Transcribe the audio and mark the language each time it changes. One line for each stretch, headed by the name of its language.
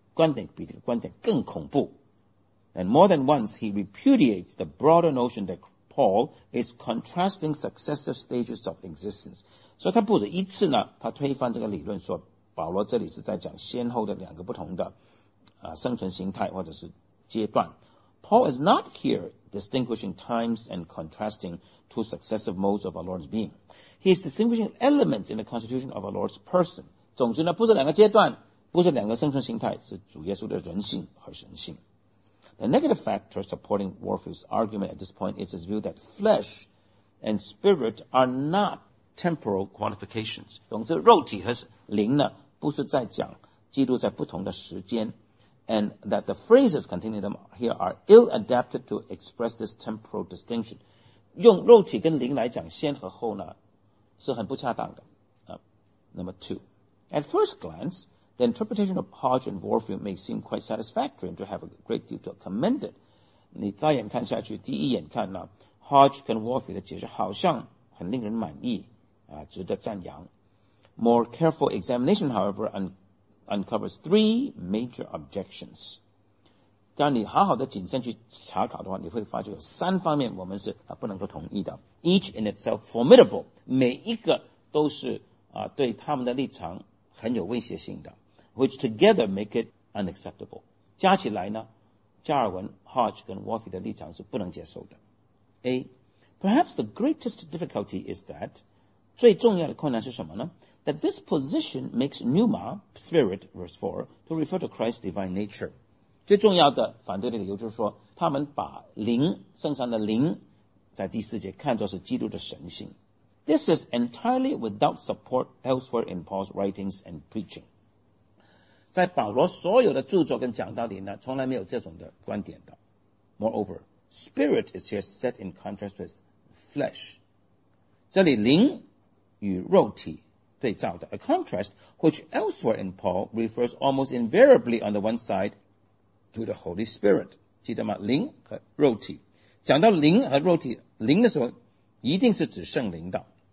Chinese: 观点比这个观点更恐怖。
English: And more than once, he repudiates the broader notion that Paul is contrasting successive stages of existence.
Chinese: 所以他不止一次呢，他推翻这个理论，说保罗这里是在讲先后的两个不同的生存形态或者是阶段。
English: Paul is not here distinguishing times and contrasting two successive modes of our Lord's being. He is distinguishing elements in the constitution of our Lord's person.
Chinese: 总之呢，不是两个阶段，不是两个生存形态，是主耶稣的人性和神性。
English: The negative factor supporting Warfield's argument at this point is his view that flesh and spirit are not temporal qualifications.
Chinese: 总之肉体和灵呢，不是在讲基督在不同的时间。
English: And that the phrases contained in them here are ill-adapted to express this temporal distinction.
Chinese: 用肉体跟灵来讲先和后呢，是很不恰当的。
English: Number two. At first glance, the interpretation of Hodge and Warfield may seem quite satisfactory and to have a great deal to commend it.
Chinese: 你再眼看下去，第一眼看呢 ，Hodge 跟 Warfield 的解释好像很令人满意，值得赞扬。
English: More careful examination, however, uncovers three major objections.
Chinese: 当你好好的谨慎去查考的话，你会发觉有三方面我们是不能够同意的。
English: Each in itself formidable,
Chinese: 每一个都是对他们的立场很有威胁性的
English: ，which together make it unacceptable.
Chinese: 加起来呢，加尔文、Hodge 跟 Warfield 的立场是不能接受的。
English: A, perhaps the greatest difficulty is that.
Chinese: 最重要的困难是什么呢
English: ？That this position makes pneuma spirit verse 4 to refer to Christ's divine nature.
Chinese: 最重要的反对的理由就是说，他们把灵圣上的灵在第四节看作是基督的神性。
English: This is entirely without support elsewhere in Paul's writings and preaching.
Chinese: 在保罗所有的著作跟讲道里呢，从来没有这种的观点的。
English: Moreover, spirit is here set in contrast with flesh.
Chinese: 这里灵与肉体对照的
English: a contrast which elsewhere in Paul refers almost invariably on the one side to the Holy Spirit
Chinese: 记得吗灵和肉体讲到灵和肉体灵的时候一定是指圣灵的